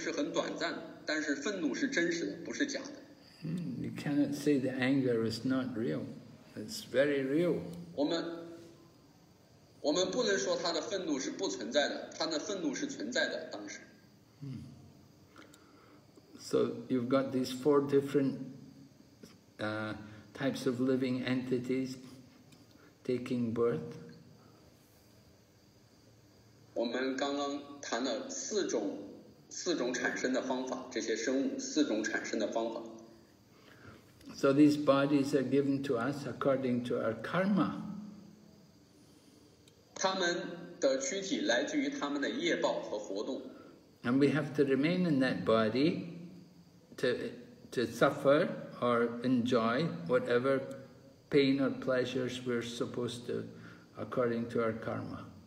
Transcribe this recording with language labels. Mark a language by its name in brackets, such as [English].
[Chinese] 圣帕帕德也给出了一个例子，比如说有人愤怒了一段时间，但是他的愤怒是真实的，只是很短。虽然他的愤怒是很短暂，但是愤怒是真实的，不是假的。 [English] You cannot say the anger is not real. It's very real. [Chinese] 我们不能说他的愤怒是不存在的，他的愤怒是存在的，当时。 [English] So you've got these four different types of living entities taking birth. [Chinese] 我们刚刚谈了四种产生的方法，这些生物四种产生的方法。 [English] So these bodies are given to us according to our karma. [Chinese] 他们的躯体来自于他们的业报和活动。 [English] And we have to remain in that body to suffer or enjoy whatever pain or pleasures we're supposed to according to our karma.